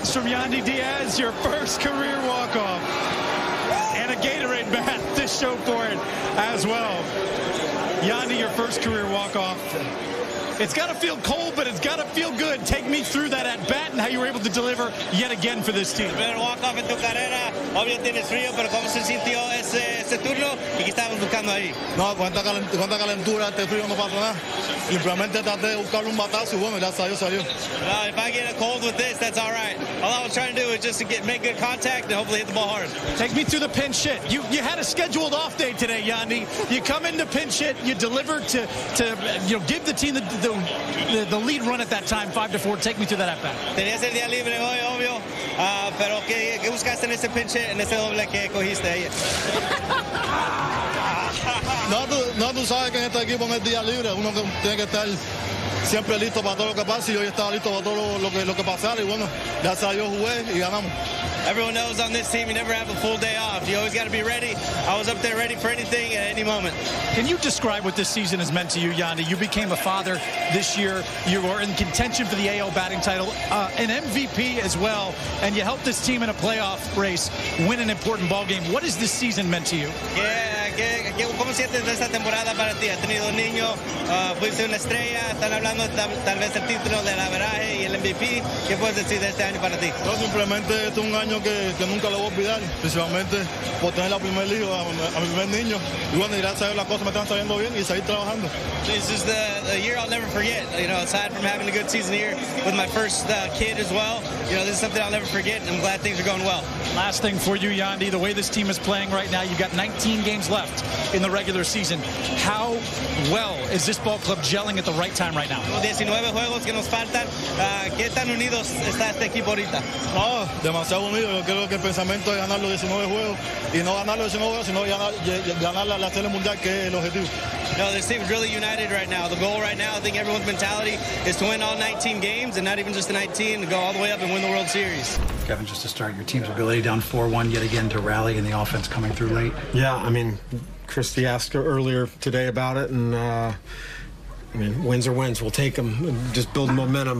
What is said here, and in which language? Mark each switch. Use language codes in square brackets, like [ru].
[en] from Yandy Diaz, your first career walk-off. And a Gatorade bat to show for it as well. Yandy, your first career walk-off. It's got to feel cold, but it's got to feel good. Take me through that at bat and how you were able to deliver yet again for this team. [es] Primer walk-off en tu carrera. Obvio tienes frío, pero ¿cómo se sintió ese turno? ¿Y qué estabas buscando ahí? No, cuánta calentura, este frío no pasa nada. Simplemente traté de buscar un batazo y bueno, ya salió. [en] If I get a cold with this, that's all right. All I was trying to do was just to make good contact and hopefully hit the ball hard. Take me through the pinch hit. You had a scheduled off day today, Yandy. You come in to pinch hit, you deliver to give the team the lead run at that time, 5-4. Take me to that at bat. [es] Tenías el día libre hoy, obvio. Pero qué buscaste en ese pinch hit, en ese doble que cogiste ahí. No, tú sabes que en este equipo no es día libre. Uno tiene que estar siempre listo para todo lo que pase. Y hoy estaba listo para todo lo que pasara. Y bueno, ya salió, jugué y ganamos. [en] Everyone knows on this team, you never have a full day off. You always got to be ready. I was up there ready for anything at any moment. Can you describe what this season has meant to you, Yandy? You became a father this year. You are in contention for the AL batting title, an MVP as well, and you helped this team in a playoff race win an important ball game. What has this season meant to you? [es] Yeah, ¿cómo sientes de esta temporada para ti? Has tenido un niño, fuiste una estrella, están hablando tal vez el título del average y el MVP. ¿Qué puedes decir de este año para ti? No, simplemente es un año que nunca lo voy a olvidar, principalmente por tener la primer hijo, a mi primer niño. Y bueno, gracias a Dios las cosas me están saliendo bien y seguir trabajando. [en] This is the year I'll never forget, you know, aside from having a good season here with my first kid as well. You know, this is something I'll never forget, and I'm glad things are going well. Last thing for you, Yandy, the way this team is playing right now, you've got 19 games left in the regular season. How well is this ball club gelling at the right time right now? [es] 19 juegos que nos faltan. ¿Qué tan unidos está este equipo ahorita? Oh, demasiado unido. Yo creo que el pensamiento es ganar los 19 juegos. Y no ganar los 19 juegos, sino ganar la Serie Mundial, que es el objetivo. [en] No, this team is really united right now. The goal right now, I think everyone's mentality is to win all 19 games, and not even just the 19, to go all the way up and win the World Series. Kevin, just to start, your team's ability down 4-1 yet again to rally, and the offense coming through late. Yeah, I mean, Christy asked her earlier today about it, and I mean, wins are wins. We'll take them and just build momentum.